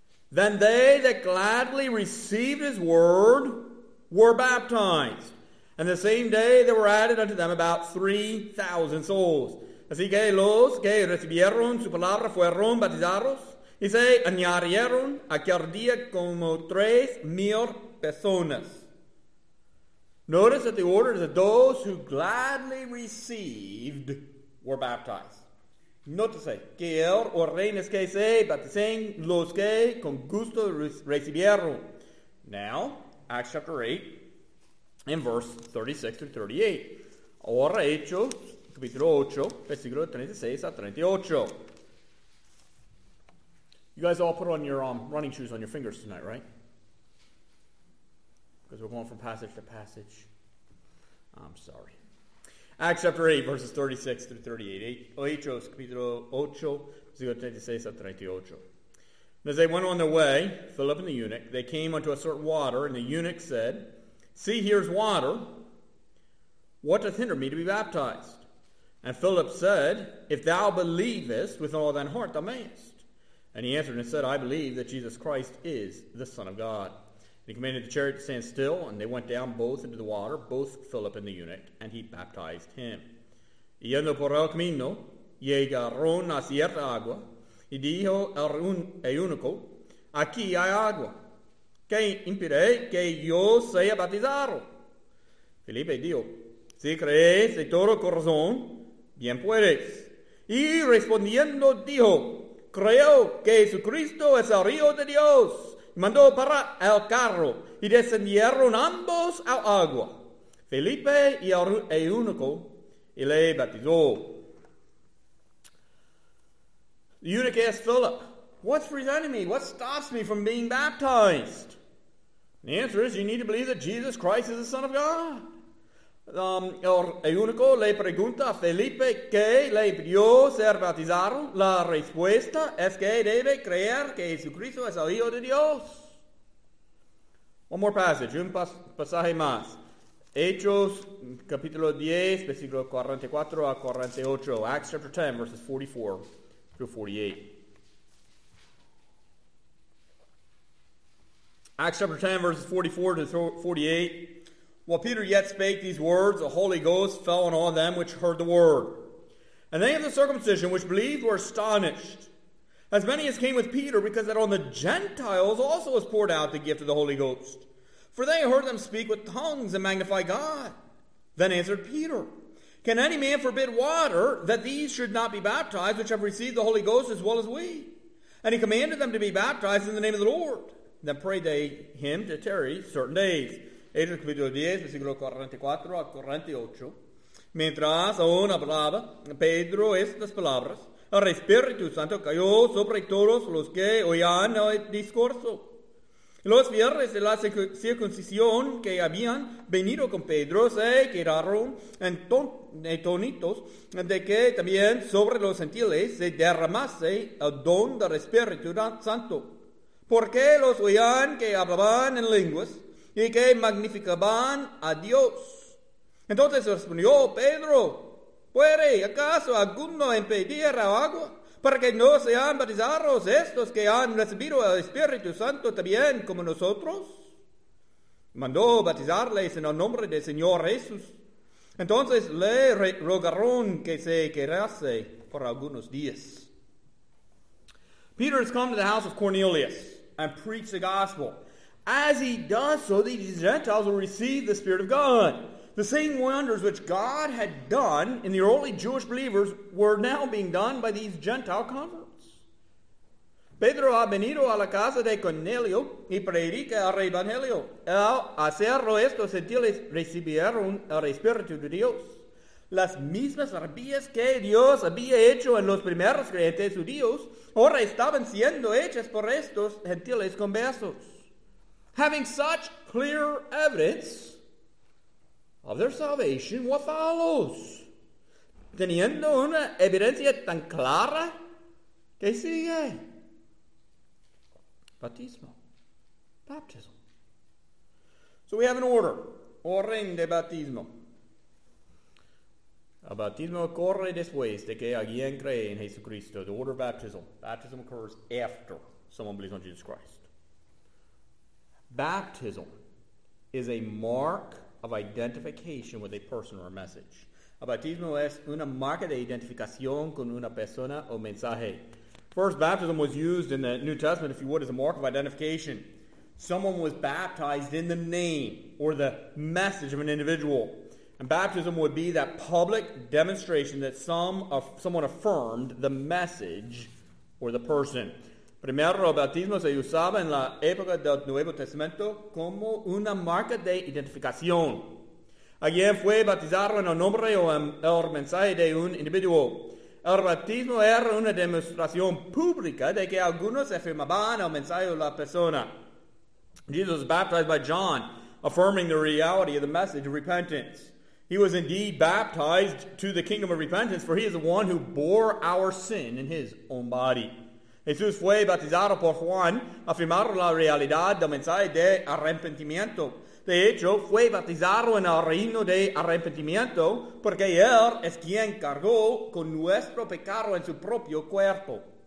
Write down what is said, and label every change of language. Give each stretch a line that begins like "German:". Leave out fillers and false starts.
English: Then they that gladly received his word were baptized. And the same day there were added unto them about 3,000 souls.
Spanish: Así que los que recibieron su palabra fueron bautizados y se añadieron aquel día como 3,000 personas.
English: Notice that the order is that those who gladly received were baptized. Notice
Spanish: que el orden es que se bauticen los que con gusto recibieron.
English: Now, Acts chapter 8, in verse 36 to 38.
Spanish: Ahora Hechos, capítulo 8, versículo 36 a 38.
English: You guys all put on your running shoes on your fingers tonight, right? Because we're going from passage to passage. I'm sorry. Acts chapter 8, verses 36 through 38.
Spanish: Hechos, capítulo 8, versículo 36 a 38.
English: And as they went on their way, Philip and the eunuch, they came unto a certain water, and the eunuch said, "See, here's water. What doth hinder me to be baptized?" And Philip said, "If thou believest with all thine heart, thou mayest." And he answered and said, "I believe that Jesus Christ is the Son of God." And he commanded the chariot to stand still, and they went down both into the water, both Philip and the eunuch, and he baptized him.
Spanish: Yendo por el camino, llegaron a cierta agua, y dijo el eunuco, "Aquí hay agua. ¿Qué impide que yo sea bautizado?" Felipe dijo, "Si crees de todo corazón, bien puedes." Y respondiendo dijo, "Creo que Jesucristo es el Hijo de Dios." Mandó para el carro, y descendieron ambos al agua, Felipe y el eunuco, y le bautizó.
English: The eunuch asked Philip, "What's preventing me? What stops me from being baptized?" And the answer is, you need to believe that Jesus Christ is the Son of God.
Spanish: El eunuco le pregunta a Felipe que le pidió ser bautizado. La respuesta es que debe creer que Jesucristo es el Hijo de Dios.
English: One more passage,
Spanish: un pasaje más. Hechos, capítulo 10, versículo 44 a 48.
English: Acts chapter 10, verses 44 through 48. Acts chapter 10, verses 44 to 48. While Peter yet spake these words, the Holy Ghost fell on all them which heard the word. And they of the circumcision which believed were astonished, as many as came with Peter, because that on the Gentiles also was poured out the gift of the Holy Ghost. For they heard them speak with tongues and magnify God. Then answered Peter, "Can any man forbid water that these should not be baptized which have received the Holy Ghost as well as we?" And he commanded them to be baptized in the name of the Lord. Then prayed they him to tarry certain days.
Spanish: Hechos capítulo 10, versículo 44 a 48. Mientras aún hablaba Pedro estas palabras, el Espíritu Santo cayó sobre todos los que oían el discurso. Los fieles de la circuncisión que habían venido con Pedro se quedaron atónitos de que también sobre los gentiles se derramase el don del Espíritu Santo. Porque los oían que hablaban en lenguas, y que magnificaban a Dios. Entonces respondió Pedro, "¿Puede acaso alguno impedir el agua para que no sean bautizados estos que han recibido el Espíritu Santo también como nosotros?" Mandó bautizarles en el nombre del Señor Jesús. Entonces le rogaron que se quedase por algunos días.
English: Peter has come to the house of Cornelius and preached the gospel. As he does so, these Gentiles will receive the Spirit of God. The same wonders which God had done in the early Jewish believers were now being done by these Gentile converts.
Spanish: Pedro ha venido a la casa de Cornelio y predica el Evangelio. Al hacerlo, estos gentiles recibieron el Espíritu de Dios. Las mismas maravillas que Dios había hecho en los primeros creyentes judíos ahora estaban siendo hechas por estos gentiles conversos.
English: Having such clear evidence of their salvation, what follows?
Spanish: Teniendo una evidencia tan clara, ¿qué sigue? Bautismo.
English: Baptism. So we have an order.
Spanish: Orden de bautismo. El bautismo ocurre después de que alguien cree en Jesucristo.
English: The order of baptism. Baptism occurs after someone believes on Jesus Christ. Baptism is a mark of identification with a person or a message.
Spanish: El bautismo es una marca de identificación con una persona o mensaje.
English: First baptism was used in the New Testament, if you would, as a mark of identification. Someone was baptized in the name or the message of an individual. And baptism would be that public demonstration that someone affirmed the message or the person.
Spanish: Primero, el bautismo se usaba en la época del Nuevo Testamento como una marca de identificación. Alguien fue bautizado en el nombre o en el mensaje de un individuo. El bautismo era una demostración pública de que algunos afirmaban el mensaje de la persona.
English: Jesus was baptized by John, affirming the reality of the message of repentance. He was indeed baptized to the kingdom of repentance, for he is the one who bore our sin in his own body.
Spanish: Jesús fue bautizado por Juan, afirmando la realidad del mensaje de arrepentimiento. De hecho, fue bautizado en el reino de arrepentimiento, porque él es quien cargó con nuestro pecado en su propio cuerpo.